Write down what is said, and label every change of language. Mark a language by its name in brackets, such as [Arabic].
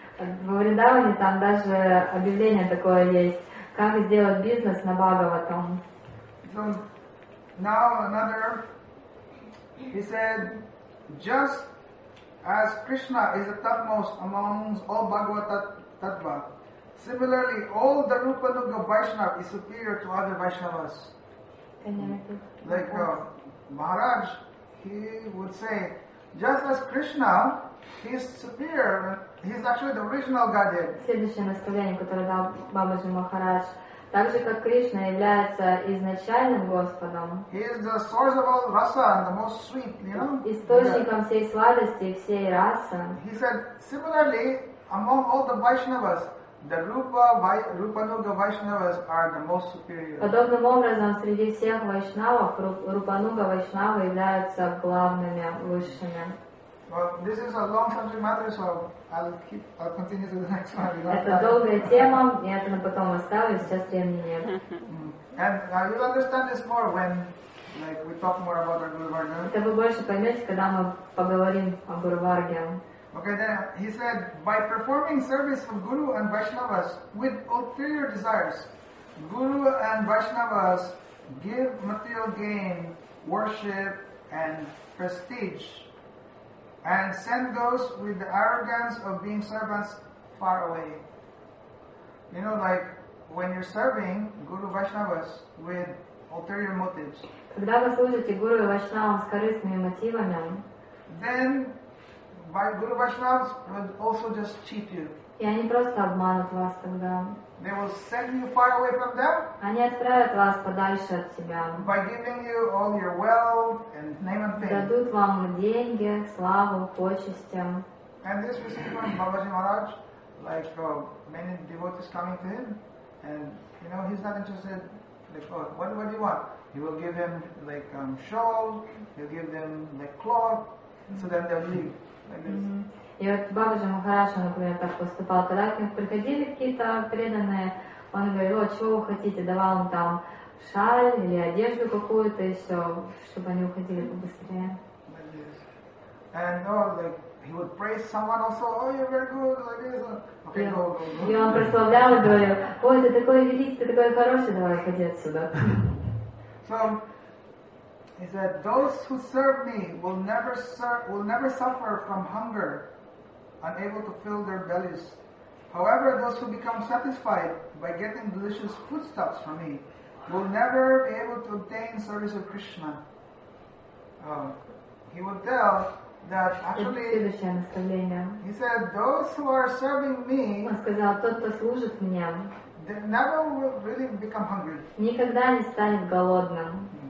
[Russian] В Вриндаване там даже объявление такое есть. Как сделать бизнес на Бхагаватам. [English] So, now another, he said, just as Krishna is the topmost among all Bhagavata Tattva, similarly, all the Rupa Nuga Vaishnav is superior to other Vaishnavas. Like Maharaj, he would say, just as Krishna, he is superior, he is actually the original Godhead. [Russian] Следующее наставление, которое дал Бабаджи Махарадж, так же как Кришна является изначальным Господом. [English] He is the source of all rasa and the most sweet, you know. [Russian] Источником всей сладости и всей расы. [English] He said, similarly, among all the Vaishnavas, the Rupanuga Vaishnavas are the most superior. [Russian] Подобным образом, среди всех Вайшнавов, Рупануга Вайшнавы являются главными, высшими. [English] Well, this is a long subject matter, so I'll continue to the next one. [Russian] Это долгая тема, я это на потом оставлю, сейчас времени нет. [English] And you'll understand this more when, like, we talk more about our Guru Varga. [Russian] Это вы больше поймете, когда мы поговорим о Гуру Варге. [English] Okay, then he said, by performing service for Guru and Vaishnavas with ulterior desires, Guru and Vaishnavas give material gain, worship, and prestige, and send those with the arrogance of being servants far away. You know, like, when you're serving Guru Vaishnavas with ulterior motives, [Russian] когда вы служите Гуру и Вайшнавам с корыстными мотивами, [English] then by Guru Vaishnavas will also just cheat you. [Russian] И они просто обманут вас тогда. [English] They will send you far away from them. [Russian] Они отправят вас подальше от себя. [English] By giving you all your wealth and name and fame. [Russian] Дадут вам деньги, славу, почести. [English] And this we see from Babaji Maharaj, like many devotees coming to him, and you know he's not interested. Like, oh, what do you want? He will give him like shawl. He'll give them like cloth. So then they'll leave. [Russian] И вот Бабаджи Махарадж, например, так поступал, когда к ним приходили какие-то преданные, он говорил, о, чего вы хотите, давал им там шаль или одежду какую-то еще, чтобы они уходили побыстрее. [English] And no, like he would praise someone also. Oh, you're very good, like this. Okay, yeah. go. [Russian] И он прославлял и говорил: "Ой, ты такой великий, ты такой хороший, давай уходи отсюда." [English] So he said, "Those who serve me will never suffer from hunger, unable to fill their bellies. However, those who become satisfied by getting delicious foodstuffs from me will never be able to obtain service of Krishna." He would tell. That actually, he said, those who are serving me, [Russian] он сказал, тот, кто служит мне, [English] they never will really become hungry. [Russian] Никогда не станет голодным.